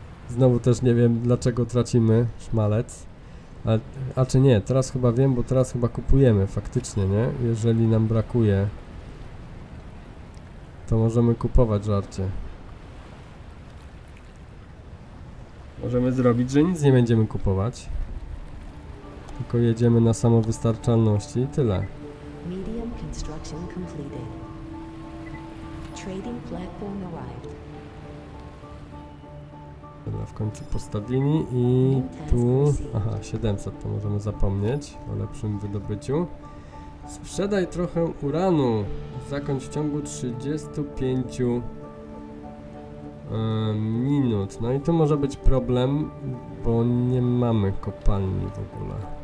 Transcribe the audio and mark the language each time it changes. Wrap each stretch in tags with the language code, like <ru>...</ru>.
<pl>Znowu też nie wiem, dlaczego tracimy szmalec. A czy nie, teraz chyba wiem, bo teraz chyba kupujemy faktycznie, nie? Jeżeli nam brakuje, to możemy kupować, żarcie. Możemy zrobić, że nic nie będziemy kupować. Tylko jedziemy na samowystarczalności i tyle.</pl> <en>Medium construction completed. Trading platform arrived.</en> <pl>W końcu postawili i tu... Aha, 700, to możemy zapomnieć o lepszym wydobyciu. Sprzedaj trochę uranu. Zakończ w ciągu 35 Minut. No i to może być problem, bo nie mamy kopalni w ogóle.</pl>